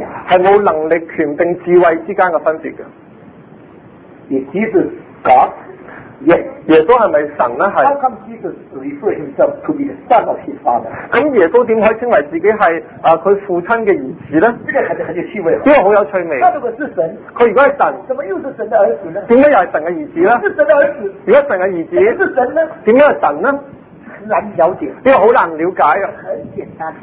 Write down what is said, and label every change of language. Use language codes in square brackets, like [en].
[zh] 是没有能力、权定、智慧之间的分别的。 [en] Is Jesus God？ [zh] Yes。 耶稣是不是神呢？ [en] How come Jesus refers himself to be the son of his father？ [zh] 耶稣怎么可以称为自己是他父亲的儿子呢？这个很有趣味，这个很有趣味。他如果是神，他如果是神，怎么又是神的儿子呢？怎么又是神的儿子呢？是神的儿子，如果是神的儿子，是神呢？怎么又是神呢？难了解，这个很难了解。很简单，